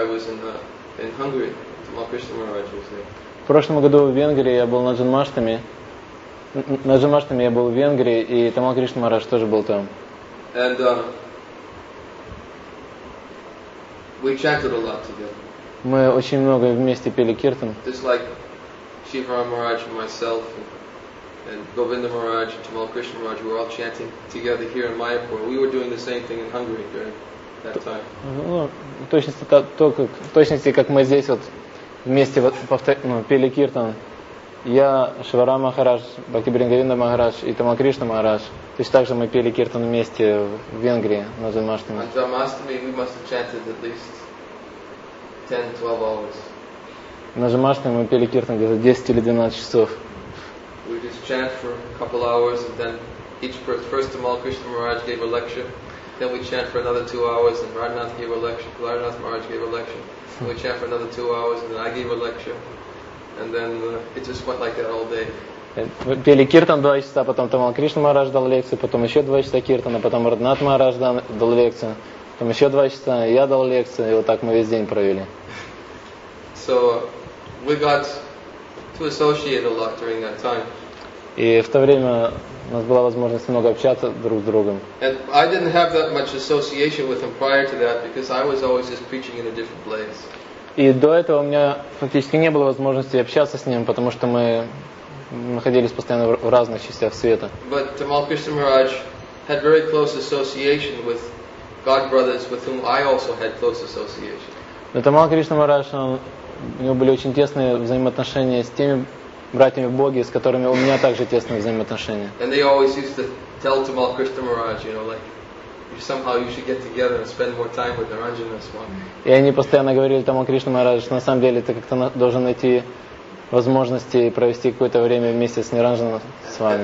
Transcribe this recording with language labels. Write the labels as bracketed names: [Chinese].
[English] I was in Hungary. Tamal Krishna Maharaj was there. [Russian] В прошлом году в Венгрии я был на Джанмаштами. На Джанмаштами я был в Венгрии, и Тамал Кришна Махарадж тоже был там. [English] And we chanted a lot together. [Russian] Мы очень много вместе пели киртан. [English] Just like Shivaram Maharaj and myself and Govinda Maharaj and Tamal Krishna Maharaj, we were all chanting together here in Mayapur. We were doing the same thing in Hungary during that time. [Russian] В точности как мы здесь вот вместе пели киртан. Я, Шиварам Махарадж, Бхактивриндавана Махарадж и Тамал Кришна Махарадж. То есть также мы пели киртан вместе в Венгрии на Джанмаштами. На Джанмаштами мы [English] must have chanted at least 10-12 hours. [Russian] На Джанмаштами мы пели киртан где-то 10 или 12 часов. [English] We just chant for a couple hours and then each first Tamal Krishna Maharaj gave a lecture. Then we chant for another 2 hours and Radhanath gave a lecture. Radhanath Maharaj gave a lecture. And we chant for another 2 hours and then I gave a lecture. And then it just went like that all day. [Russian] Пели киртан 2 часа, потом Тамал Кришна Махарадж дал лекцию, потом еще 2 часа киртана, потом Радханат Махарадж дал лекцию, потом еще 2 часа, я дал лекцию, и вот так мы весь день провели. [English] So we got to associate a lot during that time. [Russian] И в то время у нас была возможность много общаться друг с другом. [English] And I didn't have that much association with him prior to that because I was always just preaching in a different place. [Russian] И до этого у меня фактически не было возможности общаться с ним, потому что мы находились постоянно в разных частях света. [English] But Tamal Krishna Maharaj had very close association with God brothers, with whom I also had close association. [Russian] Но Тамал Кришна Махарадж, у него были очень тесные взаимоотношения с теми братьями в Боге, с которыми у меня также тесные взаимоотношения. [English] And they always used to tell Tamal Krishna Maharaj, you know, like, somehow you should get together and spend more time with Naranjana Swami. [Russian] И они постоянно говорили Тамал Кришна Махарадж, что на самом деле ты как-то должен найти возможности провести какое-то время вместе с Наранджана Свами.